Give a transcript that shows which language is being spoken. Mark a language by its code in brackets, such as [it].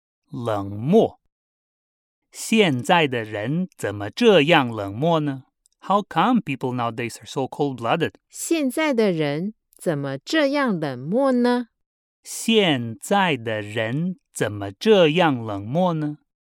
[zh] 冷漠现在的人怎么这样冷漠呢? [en] How come people nowadays are so cold-blooded? [zh] 现在的人怎么这样冷漠呢? 现在的人怎么这样冷漠呢?